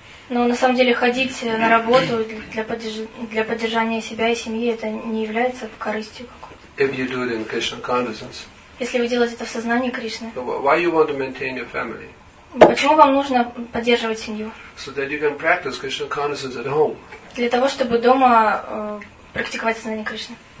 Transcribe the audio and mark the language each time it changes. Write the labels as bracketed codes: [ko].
[ru] Но на самом деле ходить на работу для поддержания себя и семьи это не является корыстью какой-то. Если вы делаете это в сознании Кришны. [en] Why you want to maintain your family? [ru] Почему вам нужно поддерживать семью? [en] So that you can practice Krishna consciousness at home. [ru] Для того, чтобы дома практиковать сознание Кришны.